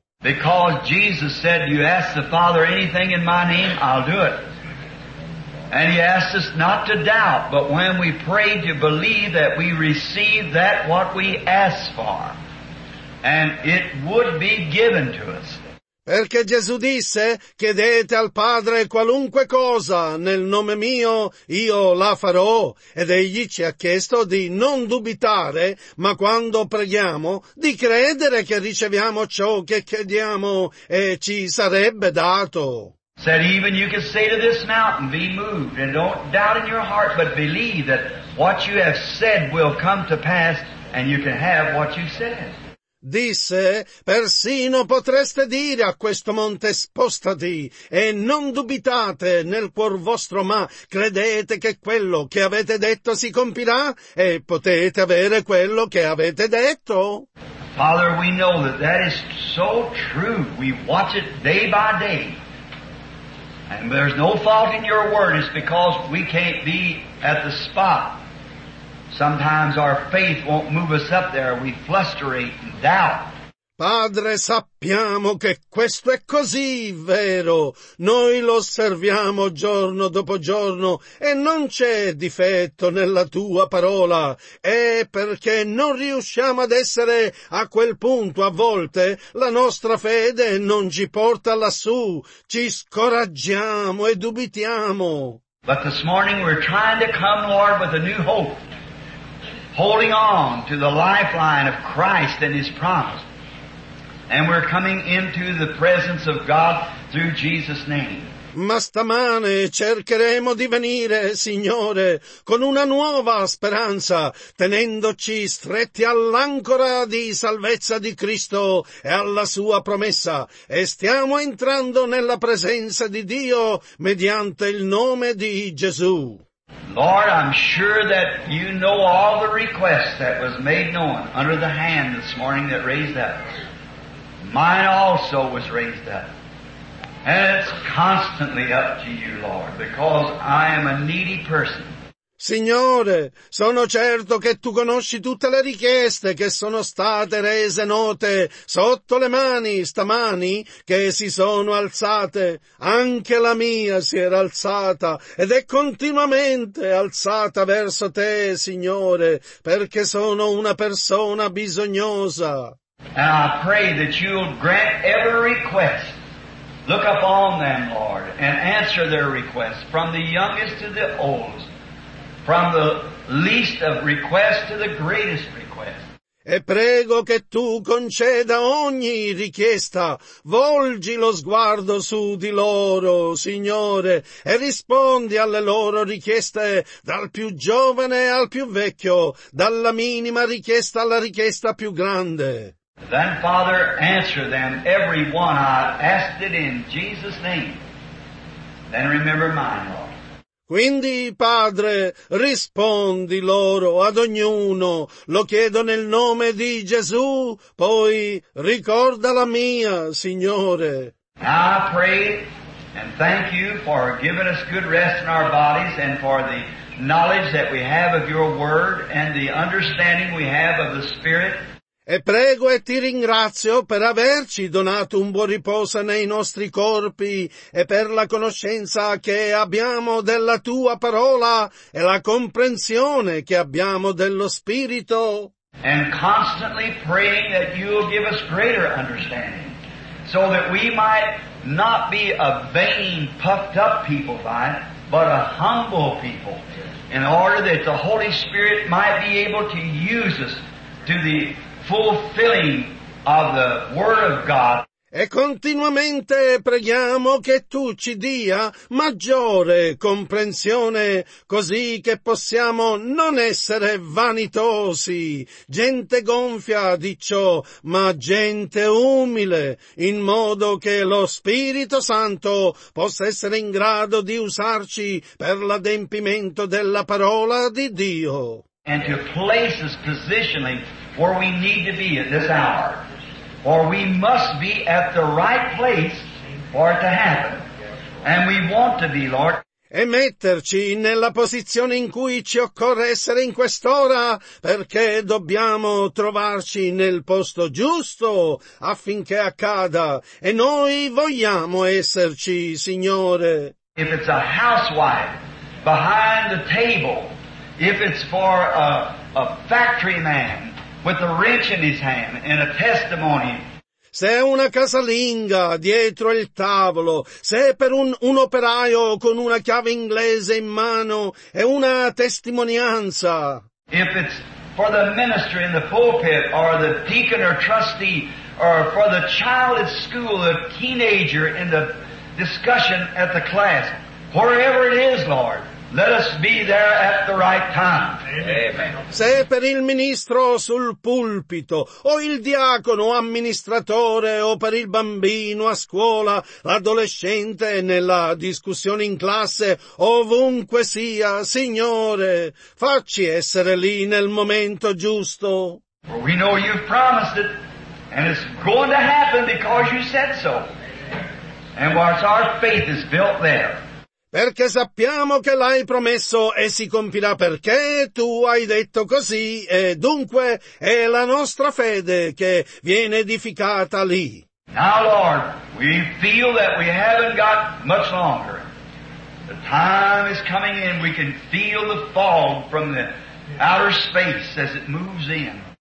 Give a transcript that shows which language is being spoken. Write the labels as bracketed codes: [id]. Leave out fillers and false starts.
[en] Because Jesus said, you ask the Father anything in my name, I'll do it. And he asks us not to doubt, but when we pray to believe that we receive that what we ask for, and it would be given to us. [it] Perché Gesù disse, chiedete al Padre qualunque cosa nel nome mio, io la farò. Ed egli ci ha chiesto di non dubitare, ma quando preghiamo, di credere che riceviamo ciò che chiediamo e ci sarebbe dato. [en] Said even you can say to this mountain, be moved, and don't doubt in your heart, but believe that what you have said will come to pass, and you can have what you said. [it] Disse, persino potreste dire a questo monte spostati, e non dubitate nel cuor vostro, ma credete che quello che avete detto si compirà, e potete avere quello che avete detto. [en] Father, we know that that is so true. We watch it day by day. And there's no fault in your word, it's because we can't be at the spot. Sometimes our faith won't move us up there, we flusterate and doubt. [it] Padre, sappiamo che questo è così vero. Noi lo osserviamo giorno dopo giorno e non c'è difetto nella tua parola. È perché non riusciamo ad essere a quel punto. A volte la nostra fede non ci porta lassù. Ci scoraggiamo e dubitiamo. [en] But this morning we're trying to come, Lord, with a new hope, holding on to the lifeline of Christ and his promise. And we're coming into the presence of God through Jesus' name. [it] Ma stamane cercheremo di venire, Signore, con una nuova speranza, tenendoci stretti all'ancora di salvezza di Cristo e alla sua promessa, e stiamo entrando nella presenza di Dio mediante il nome di Gesù. [en] Lord, I'm sure that you know all the requests that was made known under the hand this morning that raised up. Mine also was raised up. And it's constantly up to you, Lord, because I am a needy person. [it] Signore, sono certo che tu conosci tutte le richieste che sono state rese note sotto le mani stamani che si sono alzate. Anche la mia si era alzata ed è continuamente alzata verso te, Signore, perché sono una persona bisognosa. [en] And I pray that you'll grant every request. Look upon them, Lord, and answer their requests from the youngest to the oldest. From the least of request to the greatest request. [it] E prego che tu conceda ogni richiesta. Volgi lo sguardo su di loro, Signore, e rispondi alle loro richieste, dal più giovane al più vecchio, dalla minima richiesta alla richiesta più grande. [en] Then, Father, answer them, every one I asked it in Jesus' name. Then remember mine, Lord. [it] Quindi, Padre, rispondi loro ad ognuno. Lo chiedo nel nome di Gesù, poi ricorda la mia, Signore. [en] I pray and thank you for giving us good rest in our bodies and for the knowledge that we have of your word and the understanding we have of the Spirit. [it] E prego e ti ringrazio per averci donato un buon riposo nei nostri corpi e per la conoscenza che abbiamo della tua parola e la comprensione che abbiamo dello Spirito. [en] And constantly praying that you will give us greater understanding so that we might not be a vain, puffed up people, but a humble people, in order that the Holy Spirit might be able to use us to the fulfilling of the Word of God. [it] E continuamente preghiamo che tu ci dia maggiore comprensione, così che possiamo non essere vanitosi, gente gonfia di ciò, ma gente umile, in modo che lo Spirito Santo possa essere in grado di usarci per l'adempimento della parola di Dio. [en] And to place us positionally where we need to be at this hour. Or we must be at the right place for it to happen. And we want to be, Lord. [it] E metterci nella posizione in cui ci occorre essere in quest'ora, perché dobbiamo trovarci nel posto giusto affinché accada. E noi vogliamo esserci, Signore. [en] If it's a housewife behind the table, if it's for a factory man with a wrench in his hand and a testimony. [it] Se è una casalinga dietro il tavolo, se è per un operaio con una chiave inglese in mano, è una testimonianza. [en] If it's for the minister in the pulpit or the deacon or trustee or for the child at school, the teenager in the discussion at the class, wherever it is, Lord, let us be there at the right time. Amen. [it] Se per il ministro sul pulpito, o il diacono amministratore, o per il bambino a scuola, l'adolescente nella discussione in classe, ovunque sia, Signore, facci essere lì nel momento giusto. [en] For we know you've promised it, and it's going to happen because you said so. And once our faith is built there. [it] Perché sappiamo che l'hai promesso e si compirà perché tu hai detto così, e dunque è la nostra fede che viene edificata lì. [en] Now, Lord, we feel that we haven't got much longer. The time is coming in. We can feel the fog from the outer space as it moves in.